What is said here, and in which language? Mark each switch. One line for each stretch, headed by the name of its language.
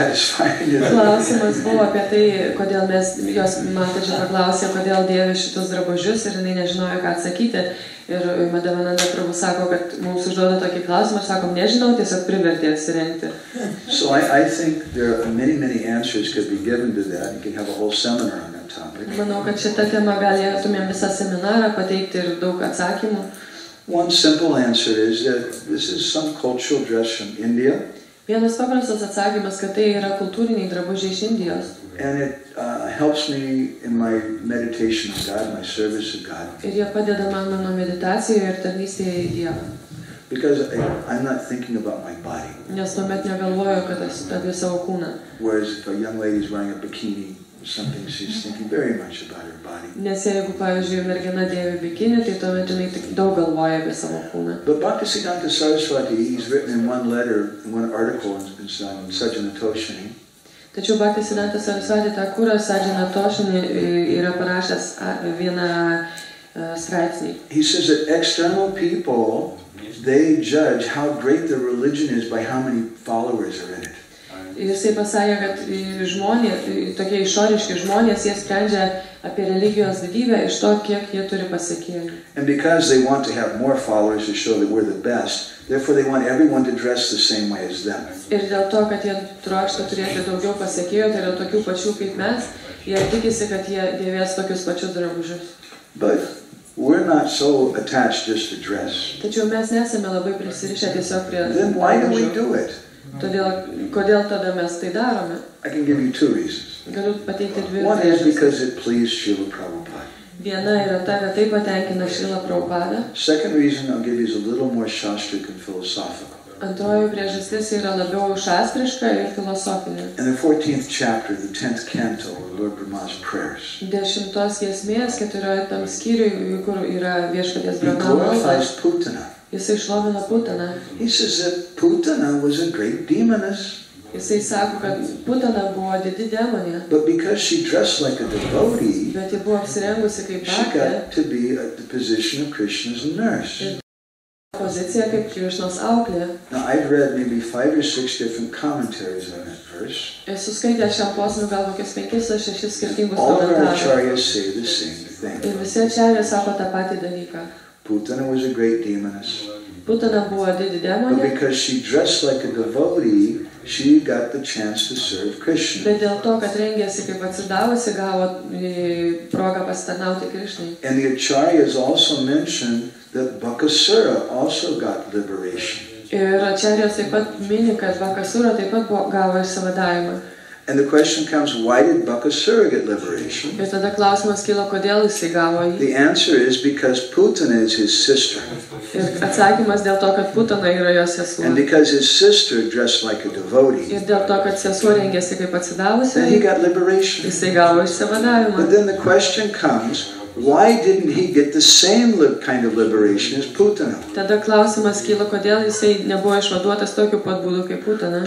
Lithuanian: Klausimas buvo apie tai, kodėl mes, jos matačiai paklausė, kodėl dėvė šitus drabužius ir jinai nežinojo, ką atsakyti. Ir Madhavananda Prabhu sako, kad mums užduoda tokį klausimą ir sakom, nežinau, tiesiog privertė atsirengti.
English: So I think there are many, many answers could be given to that. You could have a whole seminar on that topic.
Lithuanian: Manau, kad šitą temą galėtumėm visą seminarą pateikti ir daug atsakymų.
English: One simple answer is that this is some cultural dress from India.
Lithuanian: Vienas paprastas atsakymas, kad tai yra kultūriniai drabužiai iš Indijos.
English: And it helps me in my meditation of God, my service of God.
Lithuanian: Ir jie padeda man mano meditacijoje ir tarnystėje į Dievą.
English: Because I'm not thinking about my body.
Lithuanian: Nes tuomet negalvoju, kad aš apie savo kūną.
English: Whereas if a young lady is wearing a bikini, something she's thinking very much about her body.
Lithuanian: Nes jeigu, pavyzdžiui, mergina dėvi bikinį, tai tuomet jinai tik daug galvoja apie savo kūną.
English: But Bhaktisiddhanta Saraswati, he's written in one letter, in one article in Sajjana Toshini.
Lithuanian: Tačiau Bhaktisiddhanta Saraswati tą kūrą Sajjana Toshini yra parašęs vieną straipsnį.
English: He says that external people, they judge how great the religion is by how many followers are in it.
Lithuanian: Jisai pasakė, kad žmonės, tokie išoriški žmonės, jie sprendžia apie religijos didybę iš to, kiek jie turi pasiekėjų.
English: And because they want to have more followers to show that we're the best, therefore they want everyone to dress the same way as them.
Lithuanian: Ir dėl to, kad jie trokšta turėti daugiau pasiekėjų, tai yra tokių pačių kaip mes, jie tikisi, kad jie dėvės tokius pačius drabužius.
English: But we're not so attached just to dress.
Lithuanian: Tačiau mes nesame labai prisirišę tiesiog prie drabužių.
English: Then why do we do it?
Lithuanian: Todėl, kodėl tada mes tai darome?
English: I can give you two reasons.
Lithuanian: Galiu pateikti dvi reasons.
English: One is because it pleased Srila Prabhupada.
Lithuanian: Viena yra ta, kad tai patenkina Srila Prabhupada.
English: Second reason I'll give you is a little more shastric and philosophical.
Lithuanian: Antroji priežastis yra labiau šastriška ir filosofinė.
English: In the 14th chapter, the 10th canto of Lord Brahma's prayers.
Lithuanian: Dešimtos giesmės, keturioliktam skyriui, kur yra viešpaties Brahma. Jisai šlovina Putiną.
English: He says that Putana was a great demoness.
Lithuanian: Jisai sako, kad Putana buvo didi demonė.
English: But because she dressed like a devotee,
Lithuanian: bet ji buvo apsirengusi kaip
English: bhakta, she got to be at the position of Krishna's nurse.
Lithuanian: Pozicija kaip Krishnos auklė.
English: Now I've read maybe 5 or 6 different commentaries on that verse.
Lithuanian: Esu skaitęs šiam posmui gal kokias 5 ar 6 skirtingus komentarus.
English: All the acharyas say the same thing.
Lithuanian: Ir visi acharyas sako tą patį dalyką.
English: Putana was a great demoness.
Lithuanian: Putana buvo didi demonė.
English: But because she dressed like a devotee, she got the chance to serve Krishna.
Lithuanian: Bet dėl to, kad rengėsi kaip atsidavusi, gavo progą pasitarnauti Krishnai.
English: And the acharyas also mentioned that Bakasura also got liberation.
Lithuanian: Ir acharyas taip pat mini, kad Bakasura taip pat gavo išsivadavimą.
English: And the question comes, why did Bakasura get liberation?
Lithuanian: Ir tada klausimas kilo, kodėl jisai gavo jį?
English: The answer is because Putana is his sister.
Lithuanian: Ir atsakymas dėl to, kad Putana yra jo sesuo.
English: And because his sister dressed like a devotee.
Lithuanian: Ir dėl to, kad sesuo rengėsi kaip atsidavusi.
English: Then he got liberation.
Lithuanian: Jisai gavo išsivadavimą.
English: But then the question comes, why didn't he get the same kind of liberation as Putana?
Lithuanian: Tada klausimas kilo, kodėl jisai nebuvo išvaduotas tokiu pat būdu kaip Putana.